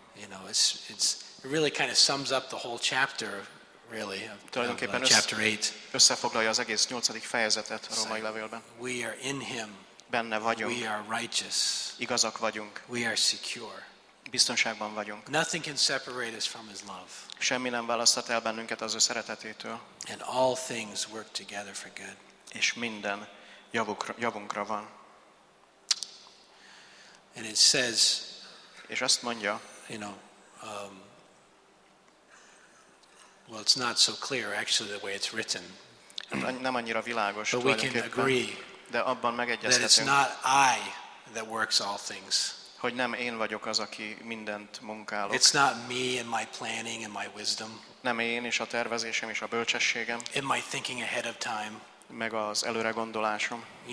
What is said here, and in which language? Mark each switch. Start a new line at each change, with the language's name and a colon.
English: You know, it's really kind of sums up the whole chapter, really.
Hungarian: Tulajdonképpen
English: chapter 8.
Hungarian: Összefoglalja az egész 8. fejezetet a Római levélben.
English: We are in him.
Hungarian: Benne vagyunk.
English: We are righteous.
Hungarian: Igazak vagyunk.
English: We are secure.
Hungarian: biztonságban vagyunk.
English: Nothing can separate us from his love.
Hungarian: Semmi nem választhat el bennünket az ő szeretetétől.
English: And all things work together for good.
Hungarian: És minden javunkra van.
English: And it says,
Hungarian: és azt mondja,
English: it's not so clear actually the way it's written.
Hungarian: Nem annyira világos.
English: But we can agree,
Hungarian: de abban megegyezhetünk.
English: That it's not I that works all things.
Hungarian: Hogy nem én vagyok az, aki mindent munkálok.
English: It's not me and my planning and my wisdom.
Hungarian: Nem én és a tervezésem és a bölcsességem.
English: In my thinking ahead of time.
Hungarian: Meg az előre gondolásom.